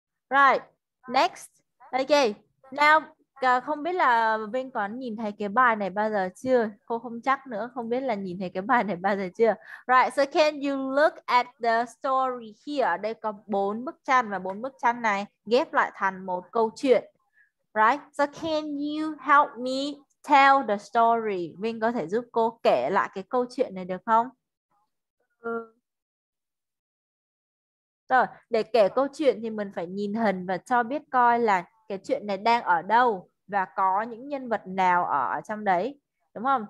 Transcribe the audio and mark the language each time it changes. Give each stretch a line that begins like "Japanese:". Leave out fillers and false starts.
English: Right, next. Okay, now
Vietnamese: không biết là Vinh có nhìn thấy cái bài này bao giờ chưa? Cô không chắc nữa, không biết là nhìn thấy cái bài này bao giờ chưa?
English: Right, so can you look at the story here?
Vietnamese: Đây có bốn bức tranh và bốn bức tranh này ghép lại thành một câu chuyện.
English: Right, so can you help me tell the story?
Vietnamese: Vinh có thể giúp cô kể lại cái câu chuyện này được không? Rồi, để kể câu chuyện thì mình phải nhìn hình và cho biết coi là cái chuyện này đang ở đâu và có những nhân vật nào ở trong đấy. Đúng không?